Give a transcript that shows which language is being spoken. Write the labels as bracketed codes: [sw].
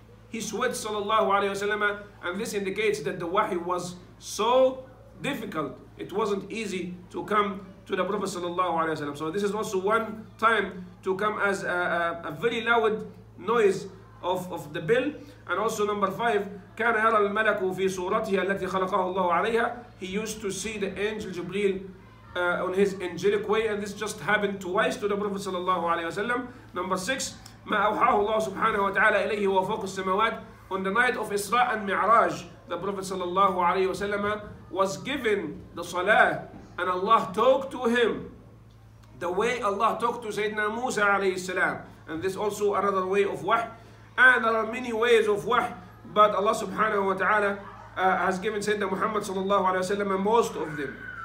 [en] He sweats sallallahu alayhi wa sallam, and this indicates that the wahi was so difficult. It wasn't easy to come to the Prophet sallallahu alayhi wa sallam. So this is also one time to come as a very loud noise of the bell. And also number five, [ar] كان يرى الملك في صورته التي خلقه الله عليها. [en] He used to see the angel Jibreel on his angelic way, and this just happened twice to the Prophet sallallahu alayhi wa sallam. Number six, [ar] ما أوحاه الله سبحانه وتعالى إليه وهو فوق السماوات. [en] On the night of Isra and Mi'raj, the Prophet sallallahu alayhi wasallam was given the salah, and Allah talked to him the way Allah talked to Sayyidina Musa alayhi salam. And this also another way of wahy, and there are many ways of wahy, but Allah subhanahu wa ta'ala has given Sayyidina Muhammad sallallahu alayhi wasallam most of them.